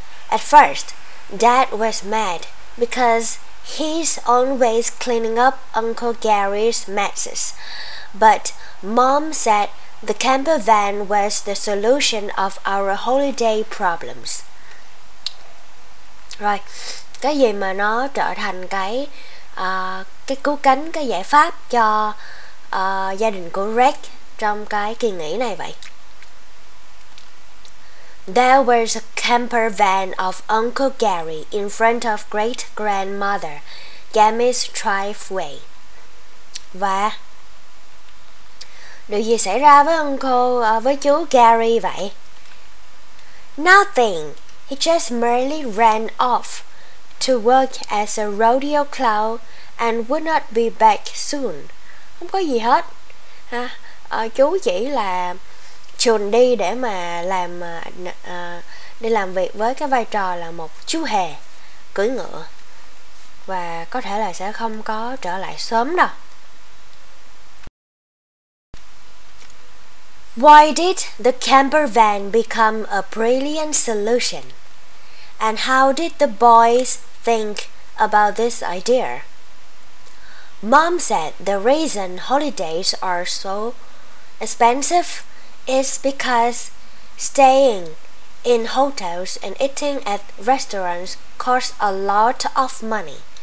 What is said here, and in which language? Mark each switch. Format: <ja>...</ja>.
<en>At first, Dad was mad because he's always cleaning up Uncle Gary's messes, but Mom said the camper van was the solution of our holiday problems. Right.</en> <vi>Cái gì mà nó trở thành cái cứu cánh, cái giải pháp cho gia đình của Greg trong cái kỳ nghỉ này vậy?</vi> <en>There was a camper van of Uncle Gary in front of great-grandmother Gammy's driveway.</en> <vi>Và điều gì xảy ra với với chú Gary vậy?</vi> <en>Nothing. He just merely ran off to work as a rodeo clown and would not be back soon.</en> <vi>Không có gì hết. Ha? Chú chỉ là chuồn đi để mà làm đi làm việc với cái vai trò là một chú hề cưỡi ngựa và có thể là sẽ không có trở lại sớm đâu.</vi> <en>Why did the camper van become a brilliant solution? And how did the boys think about this idea? Mom said the reason holidays are so expensive is because staying in hotels and eating at restaurants costs a lot of money.</en>